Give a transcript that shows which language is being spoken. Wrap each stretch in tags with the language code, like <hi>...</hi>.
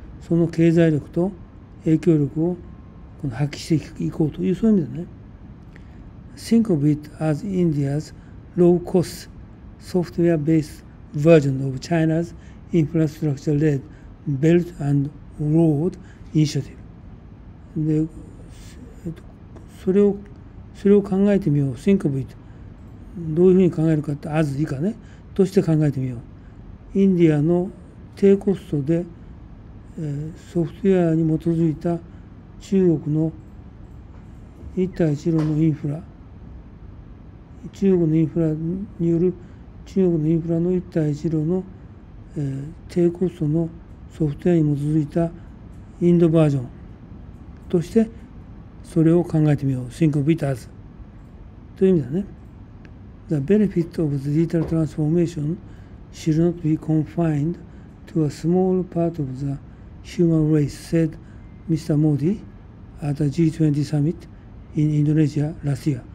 <ja>その経済力と影響力をこの発揮していこうという、そういう意味だね。</ja> <en>Think of it as India's low-cost software-based version of China's infrastructure-led Belt and Road Initiative。</en> <ja>で、それを考えてみよう。</ja> <en>Think of it。</en> <ja>どういうふうに考えるかって、as 以下ね、として考えてみよう。インディアの低コストで、ソフトウェアに基づいた中国の一帯一路のインフラ、中国のインフラによる中国のインフラの一帯一路の、低コストのソフトウェアに基づいたインドバージョンとして、それを考えてみよう。</ja> <en>Think of it as</en> <ja>という意味だね。</ja> <en>The benefit of the digital transformation should not be confined to a small part of the human race, said Mr. Modi at the G20 summit in Indonesia last year.</en>